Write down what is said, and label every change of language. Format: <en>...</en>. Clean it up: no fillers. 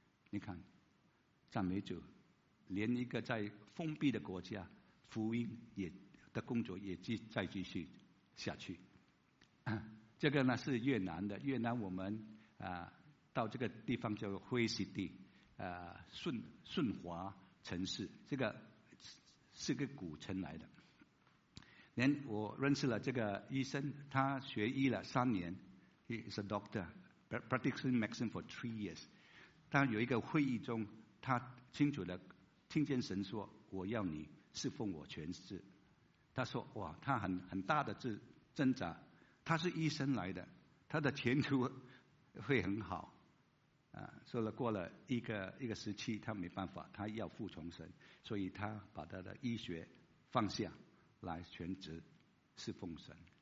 <zh>你看赞美主，连一个在封闭的国家福音也的工作也再继续下去。这个呢是越南的，越南我们到这个地方叫灰西地，顺华城市，这个是个古城来的。连我认识了这个医生，他学医了3年 ，</zh> <en>He is a doctor, practicing medicine for 3 years。</en> <zh>他有一个会议中，他清楚的听见神说：“我要你侍奉我全职。” 他说：“哇，他很大的挣扎，他是医生来的，他的前途会很好。” 所以过了一个时期，他没办法，他要服从神，所以他把他的医学放下来全职侍奉神。</zh>